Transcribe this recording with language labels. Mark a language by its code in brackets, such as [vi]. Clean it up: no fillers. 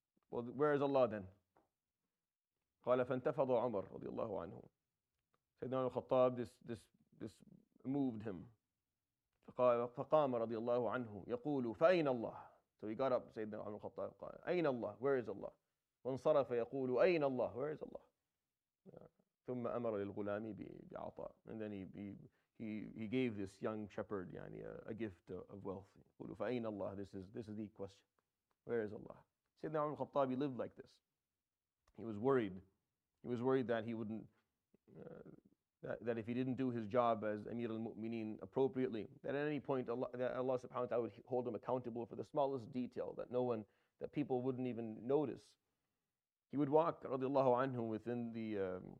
[en] Well, where is Allah then? [ar] قَالَ فَانْتَفَضَ عُمَرُ رضي الله عنه. [en] Sayyidina al-Khattab, this moved him. [ar] فَقَامَ رضي الله عنه يَقُولُ فَأَيْنَ اللَّهُ. [en] So he got up, Sayyidina al-Khattab, [ar] قَالَ أَيْنَ اللَّهُ, [en] where is Allah? [ar] وَانْصَرَفَ يَقُولُ أَيْنَ اللَّهُ, [en] where is Allah? [ar] ثم أمر للغلام بعطاء. [en] And then he gave this young shepherd a gift of wealth. [ar] قلوا فأين الله. [en] This is the question. Where is Allah? Sayyidina Umar al-Khattab, he lived like this. He was worried. He was worried that he wouldn't that if he didn't do his job as Amir al-Mu'mineen appropriately, that at any point Allah subhanahu wa ta'ala would hold him accountable for the smallest detail that people wouldn't even notice. He would walk [ar] رضي الله عنه [en] within the